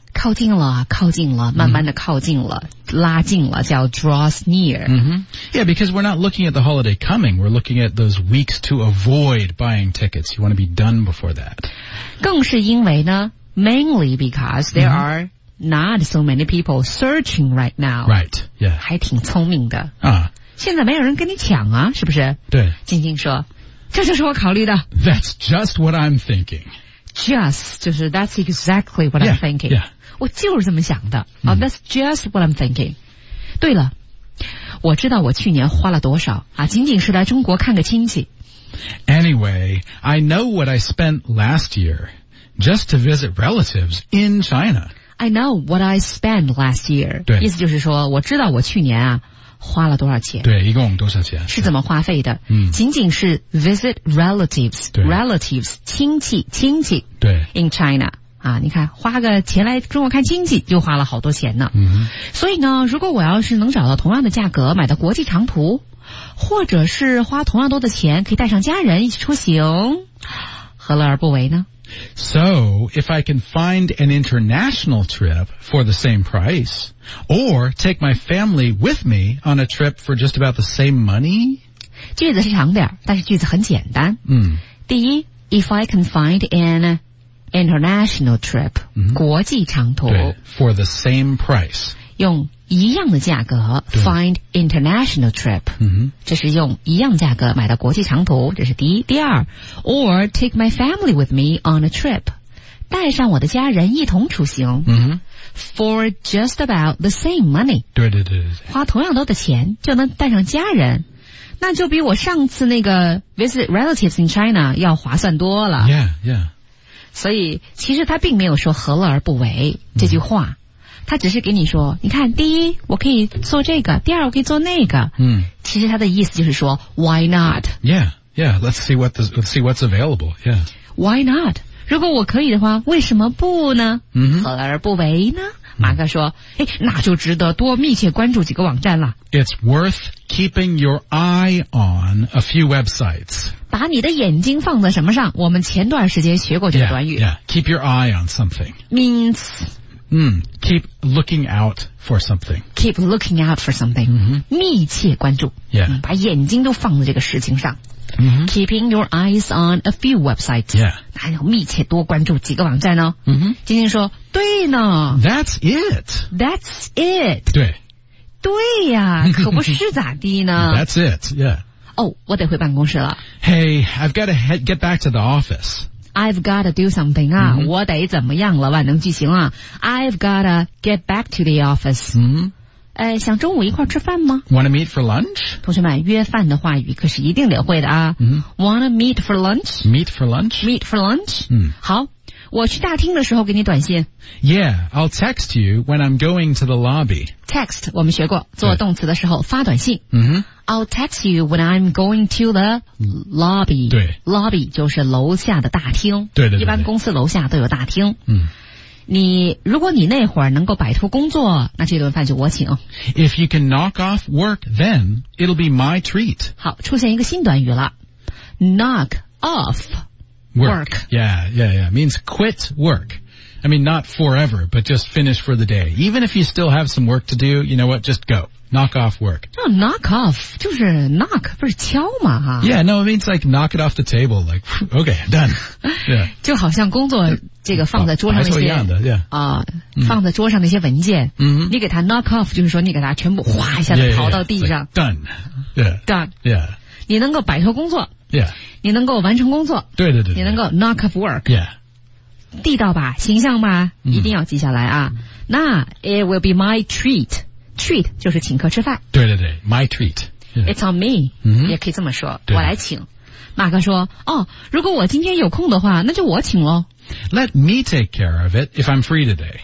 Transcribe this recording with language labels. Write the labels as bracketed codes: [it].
[zh] 靠近了靠近了慢慢的靠近了拉近了叫 [en] draws near、 Yeah, because we're not looking at the holiday coming We're looking at those weeks to avoid buying tickets You want to be done before that [zh] 更是因为呢 [en] Mainly because there are not so many people searching right now Right, yeah [zh] 还挺聪明的、现在没有人跟你抢啊是不是对静静说这就是我考虑的 [en] That's just what I'm thinking Just, [zh] 就是 [en] that's exactly what I'm thinking. Yeah, yeah. [zh] 我就是这么想的。 [en] That's just what I'm thinking. [zh] 对了，我知道我去年花了多少啊，仅仅是来中国看个亲戚。 [en] Anyway, I know what I spent last year just to visit relatives in China. I know what I spent last year. [zh] 对，意思就是说，我知道我去年啊花了多少钱。对，一共多少钱？是怎么花费的？仅仅是 [en] visit relatives, [zh] 对 relatives, 亲戚，亲戚。对。 [en] In China, [zh] 啊你看花个钱来中国看亲戚就花了好多钱呢。嗯。所以呢如果我要是能找到同样的价格买到国际长途或者是花同样多的钱可以带上家人一起出行何乐而不为呢 [en] ?So, if I can find an international trip for the same price,Or take my family with me on a trip for just about the same money? [zh] 句子是长点但是句子很简单。 [en] 第一 ,if I can find an international trip, [zh] 国际长途。 [en] 对 ,for the same price. [zh] 用一样的价格 , [en] find international trip. [zh] 这是用一样价格买到国际长途这是第一。 [en] 第二 ,or take my family with me on a trip. [zh] 带上我的家人一同出行。 [en] For just about the same money. [zh] 对对对对。花同样多的钱就能带上家人。那就比我上次那个 [en] visit relatives in China [zh] 要划算多了。 [en] Yeah, yeah. [zh] 所以其实他并没有说何乐而不为这句话。他只是给你说你看第一我可以做这个第二我可以做那个。其实他的意思就是说 [en] why not? Yeah, yeah, let's see what's available, yeah. Why not? [zh] 如果我可以的话为什么不呢、何乐而不为呢马哥说诶那就值得多密切关注几个网站了 [en] It's worth keeping your eye on a few websites [zh] 把你的眼睛放在什么上我们前段时间学过这个短语 [en] yeah, yeah. Keep your eye on something Means Keep looking out for something. Keep looking out for something. Mm-hmm. [zh] 密切关注。 [en] Yeah. [zh] 把眼睛都放在这个事情上。 Mm-hmm. [en] Keeping your eyes on a few websites. Yeah. [zh] 那要密切多关注几个网站呢。嗯哼。晶晶说对呢。 [en] That's it. That's it. [zh] 对。对呀，可不是咋地呢。 [en] That's it, yeah. [zh] 哦，我得回办公室了。 [en] Hey, I've got to get back to the office. I've got to do something [zh] 啊、mm-hmm. 我得怎么样了，万能句型啊。 [en] I've got to get back to the office. 嗯、mm-hmm. [zh] 想中午一块吃饭吗 [en] ？Wanna meet for lunch？ [zh] 同学们，约饭的话语可是一定得会的啊。 Mm-hmm. [en] Wanna meet for lunch？ Meet for lunch？ Meet for lunch？嗯、mm-hmm. ， [zh] 好，我去大厅的时候给你短信。 [en] Yeah， I'll text you when I'm going to the lobby。 [zh] Text 我们学过，做动词的时候发短信。嗯哼。 [en] I'll text you when I'm going to the lobby。 [zh] 对。 Lobby 就是楼下的大厅。对 对, 对, 对。一般公司楼下都有大厅。嗯、mm-hmm.。你如果你那会儿能够摆脱工作，那这顿饭就我请。 [en] If you can knock off work, then it'll be my treat. [zh] 好，出现一个新短语了 ，knock off [en] work. Yeah, yeah, yeah. Means quit work. I mean, not forever, but just finish for the day. Even if you still have some work to do, you know what? Just go. Knock off work. [zh] No, knock off 就是 knock 不是敲嘛哈。 [en] Yeah, no, it means like knock it off the table. Like, okay, done. Yeah. [zh] 就好像工作。这个放在桌上那些、哦、还是一样的、yeah. 嗯、放在桌上那些文件、嗯、你给它 knock off 就是说你给它全部哗一下子跑到地上 [en] yeah, yeah, yeah. Like, done yeah. [zh] 你能够摆脱工作、 [en] yeah. [zh] 你能够完成工作对对 对, 对你能够 knock off work、 [en] yeah. [zh] 地道吧形象吧一定要记下来啊、嗯、那 [en] it will be my treat [zh] treat 就是请客吃饭对对对 my treat、 [en] yeah. it's on me、嗯、 [zh] 也可以这么说我来请马克说哦，如果我今天有空的话那就我请咯 [en] Let me take care of it if I'm free today.